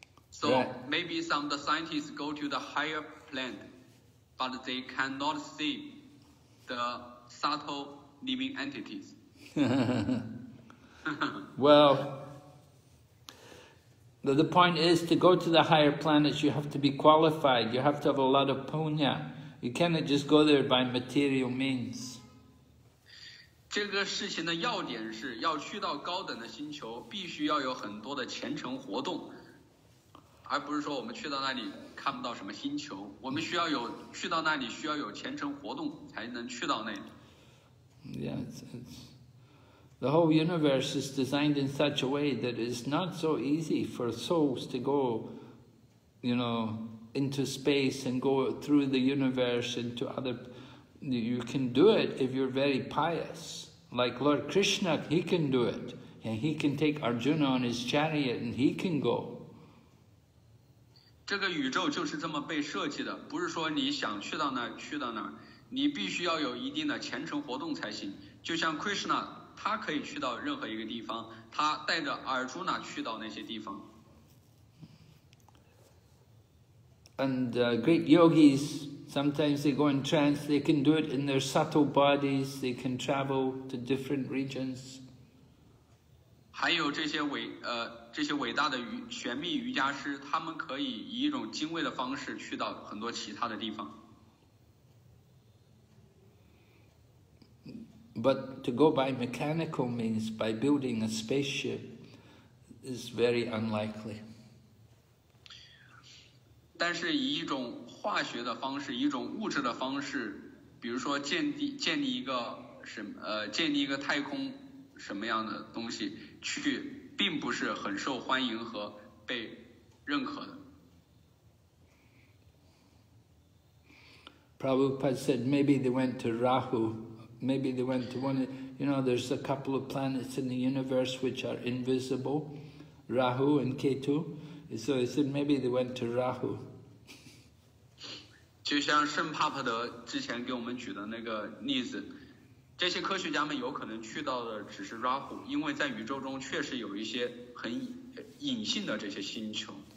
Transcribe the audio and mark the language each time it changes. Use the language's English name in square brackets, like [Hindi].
[English] So maybe some of the scientists go to the higher plant, but they cannot see the subtle living entities. Well, the point is to go to the higher planets, you have to be qualified. You have to have a lot of punya. You cannot just go there by material means. [Chinese] 这个事情的要点是要去到高等的星球，必须要有很多的虔诚活动。而不是说我们去到那里看不到什么星球，我们需要有去到那里需要有虔诚活动才能去到那里。 [English] Yeah, it's the whole universe is designed in such a way that it's not so easy for souls to go, you know, into space and go through the universe into other You can do it if you're very pious. Like Lord Krishna, he can do it. And he can take Arjuna on his chariot and he can go. [Chinese] 这个宇宙就是这么被设计的，不是说你想去到那儿去到那儿，你必须要有一定的虔诚活动才行。就像 Krishna， 他可以去到任何一个地方，他带着 Arjuna 去到那些地方。 [English] And great yogis, sometimes they go in trance. They can do it in their subtle bodies. They can travel to different regions. [Chinese] 还有这些伟这些伟大的玄秘瑜伽师，他们可以以一种精微的方式去到很多其他的地方。 [English] But to go by mechanical means, by building a spaceship, is very unlikely. [Chinese] 但是以一种化学的方式，一种物质的方式，比如说建立一个什么建立一个太空什么样的东西去。并不是很受欢迎和被认可的。 [English] Prabhupada said, maybe they went to Rahu, maybe they went to one. You know, there's a couple of planets in the universe which are invisible, Rahu and Ketu. So he said, maybe they went to Rahu. [Chinese] 就像圣帕帕德之前给我们举的那个例子。这些科学家们有可能去到的只是 Rahu， 因为在宇宙中确实有一些很隐性的这些星球。